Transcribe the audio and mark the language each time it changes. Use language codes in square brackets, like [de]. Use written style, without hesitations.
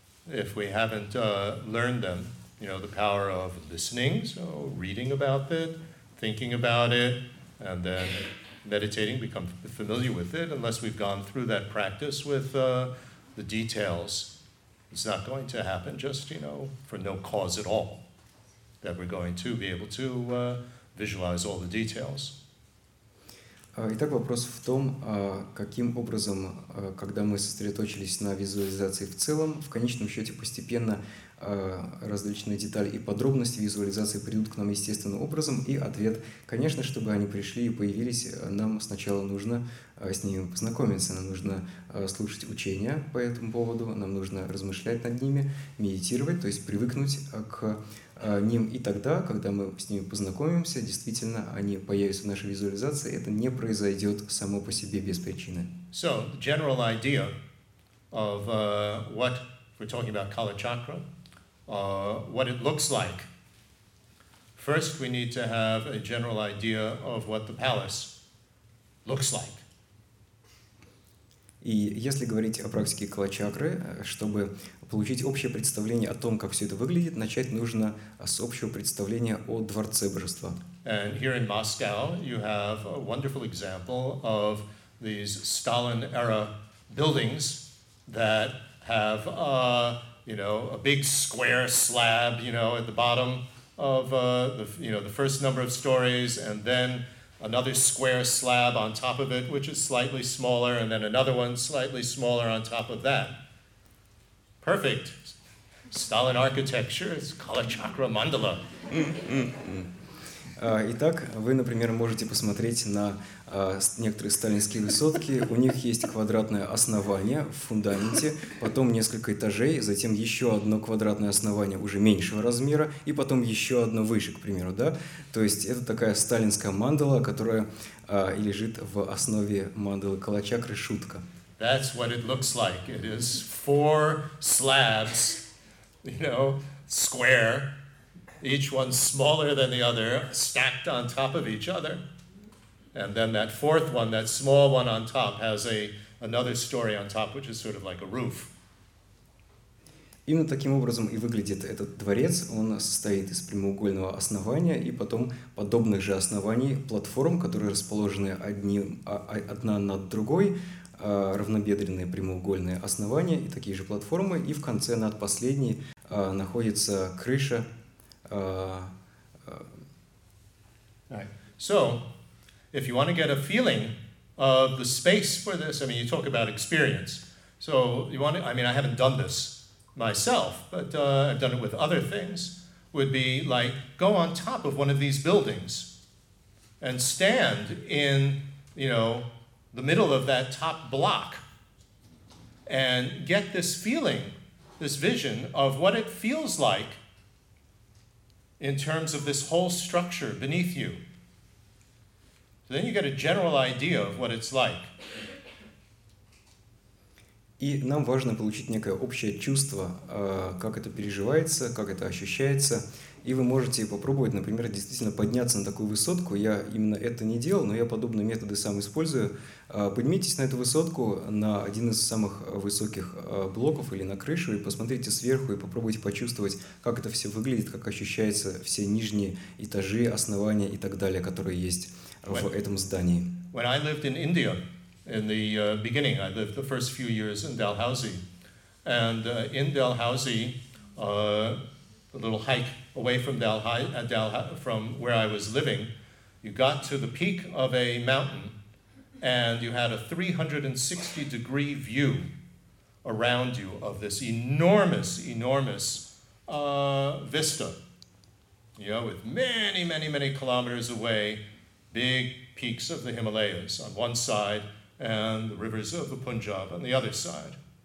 [en] If we haven't learned them, you know, the power of listening, so reading about it, thinking about it, and then meditating, become familiar with it, unless we've gone through that practice with the details, it's not going to happen just, you know, for no cause at all, that we're going to be able to visualize all the details. [ru] Итак, вопрос в том, каким образом, когда мы сосредоточились на визуализации в целом, в конечном счете постепенно различные детали и подробности визуализации придут к нам естественным образом, и ответ, конечно, чтобы они пришли и появились, нам сначала нужно с ними познакомиться, нам нужно слушать учения по этому поводу, нам нужно размышлять над ними, медитировать, то есть привыкнуть к ним, и тогда, когда мы с ними познакомимся, действительно, они появятся в нашей визуализации, это не произойдет само по себе без причины. [en] So, the general idea of what we're talking about Kala Chakra, what it looks like. First, we need to have a general idea of what the palace looks like. [ru] И если говорить о практике калачакры, чтобы получить общее представление о том, как все это выглядит, начать нужно с общего представления о Дворце Божества. [en] And here in Moscow you have a wonderful example of these Stalin-era buildings that have you know, a big square slab, you know, at the bottom of the, you know, the first number of stories, and then another square slab on top of it, which is slightly smaller, and then another one slightly smaller on top of that. Perfect. Stalin architecture is Kalachakra Mandala. [ru] Итак, вы, например, можете посмотреть на некоторые сталинские высотки. У них есть квадратное основание в фундаменте, потом несколько этажей, затем еще одно квадратное основание уже меньшего размера, и потом еще одно выше, к примеру, да? То есть это такая сталинская мандала, которая лежит в основе мандалы Калачакры Шутка. [en] That's what it looks like. It is four slabs, you know, square, each one smaller than the other, stacked on top of each other. And then that fourth one, that small one on top, has another story on top, which is sort of like a roof. [ru] Именно таким образом и выглядит этот дворец. Он состоит из прямоугольного основания и потом подобных же оснований платформ, которые расположены одна над другой, равнобедренные прямоугольные основания и такие же платформы. И в конце над последней находится крыша. [en] Right. So, if you want to get a feeling of the space for this, I mean, you talk about experience. So, you want to, I mean, I haven't done this myself, but I've done it with other things, would be like, go on top of one of these buildings and stand in, you know, the middle of that top block and get this feeling, this vision of what it feels like in terms of this whole structure beneath you. So then you get a general idea of what it's like. [ru] И нам важно получить некое общее чувство, как это переживается, как это ощущается. И вы можете попробовать, например, действительно подняться на такую высотку. Я именно это не делал, но я подобные методы сам использую. Поднимитесь на эту высотку, на один из самых высоких блоков или на крышу, и посмотрите сверху, и попробуйте почувствовать, как это все выглядит, как ощущаются все нижние этажи, основания и так далее, которые есть в этом здании. [en] When I lived in India, in the beginning, I lived the first few years in Dalhousie. And in Dalhousie, a little hike away from from where I was living, you got to the peak of a mountain and you had a 360-degree view around you of this enormous, enormous vista, you know, with many, many, many kilometers away, big peaks of the Himalayas on one side, and the rivers of the Punjab on the other side.